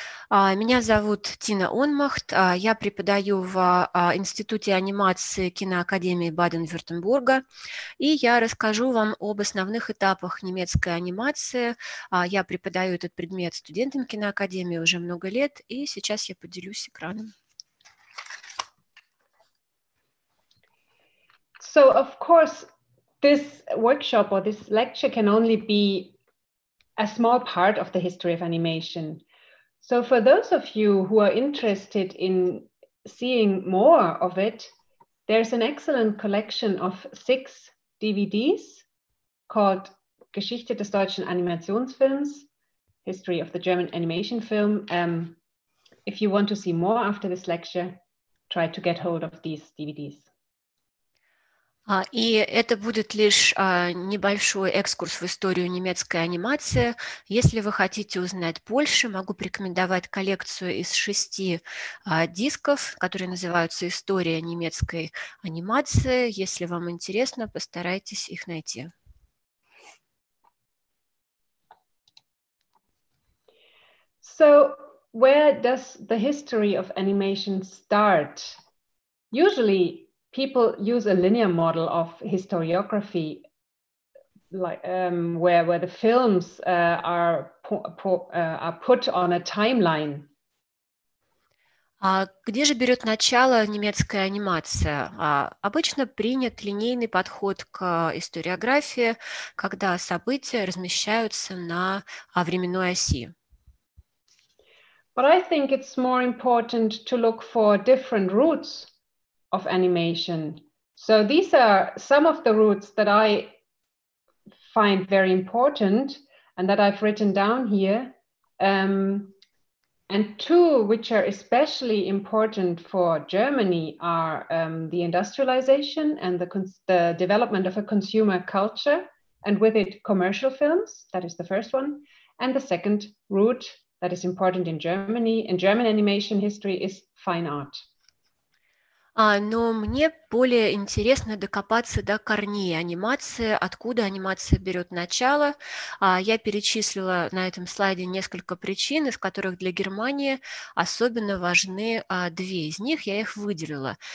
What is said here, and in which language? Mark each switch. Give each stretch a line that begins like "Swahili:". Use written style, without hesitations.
Russian: Меня зовут Тина Онмахт. Я преподаю в Институте анимации киноакадемии Баден-Вюртемберга. И я расскажу вам об основных этапах немецкой анимации. Я преподаю этот предмет студентам киноакадемии уже много лет. И сейчас я поделюсь экраном.
English: So, of course, this workshop or this lecture can only be a small part of the history of animation. So for those of you who are interested in seeing more of it, there's an excellent collection of 6 DVDs called Geschichte des deutschen Animationsfilms, History of the German Animation Film. If you want to see more after this lecture, try to get hold of these DVDs.
Russian: И это будет лишь небольшой экскурс в историю немецкой анимации. Если вы хотите узнать больше, могу порекомендовать коллекцию из 6 дисков, которые называются «История немецкой анимации». Если вам интересно, постарайтесь их найти.
English: So, where does the history of animation start? Usually, people use a linear model of historiography, like where the films are put on a timeline.
Russian: Где же берет начало немецкая анимация? Обычно принят линейный подход к историографии, когда события размещаются на временной оси.
English: But I think it's more important to look for different roots of animation. So these are some of the roots that I find very important and that I've written down here. And two which are especially important for Germany are the industrialization and the development of a consumer culture, and with it commercial films. That is the first one. And the second root that is important in Germany, in German animation history, is fine art.
Russian: Но мне более интересно докопаться до корней анимации, откуда анимация берет начало. Я перечислила на этом слайде несколько причин, из которых для Германии особенно важны две из них. Я их выделила.